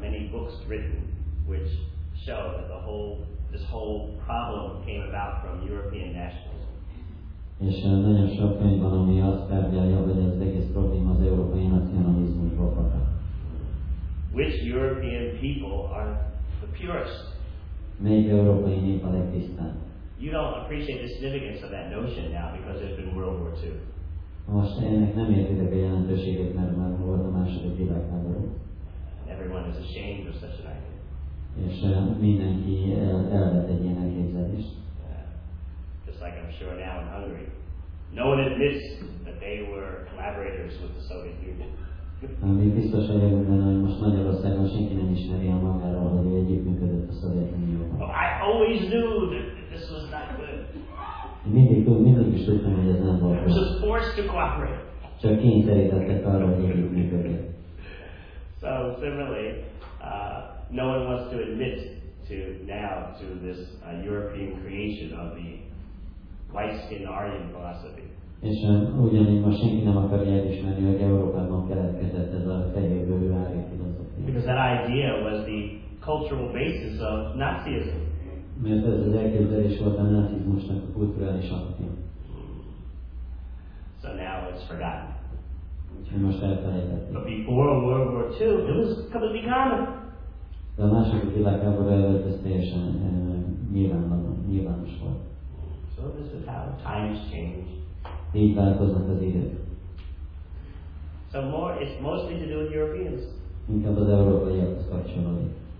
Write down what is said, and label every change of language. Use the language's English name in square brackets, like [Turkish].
[English] books written which show that the whole this whole problem came about from European nationalism. [Hungarian] És nagyon sok könyvben, ami azt kérdezi, hogy az egész probléma az európai nacionalizmusból fakad. [English] Which European people are the purest? [Hungarian] Melyik európai nép a legtisztább? [English] You don't appreciate the significance of that notion now because there's been World War II. [Hungarian] Most ennek nem érted a jelentőségét, mert már volt a második világháború. [English] Everyone is ashamed of such an idea. [Hungarian] És mindenki elvet egy ilyen elképzelést. [English] Just like I'm sure now in Hungary, no one admits that they were collaborators with the Soviet Union. [Hungarian] Mi biztos vagyok benne, hogy most Magyarországon senki nem ismeri a magáról, hogy ő együttműködött a Szovjet Unióban. [English] Oh, I always knew that this was not good. [Hungarian] Mindig is tudtam, hogy ez nem volt. [English] I was just forced to cooperate. [Hungarian] Csak kényszerítettek arra, hogy együttműködjön. [English] So similarly, no one wants to admit to now to this European creation of the white-skinned Aryan philosophy. [Hungarian] És ugyanígy most senki nem akarja elismerni, hogy Európában keletkezett ez a fehér bőrű Aryan filozófia. [English] Because that idea was the cultural basis of Nazism. [Hungarian] Mert ez az elképzelés volt a nácizmusnak a kulturális alapja. [English] So now it's forgotten. [Hungarian] Úgyhogy most elfelejtették. [English] But before World War II, it was completely common. [Hungarian] De a második világháború előtt ez teljesen nyilvános volt. [English] So this is how times change. [Hungarian] Így változnak az idők. [English] So more, it's mostly to do with Europeans. [Hungarian] Inkább az európaiakhoz kapcsolódik.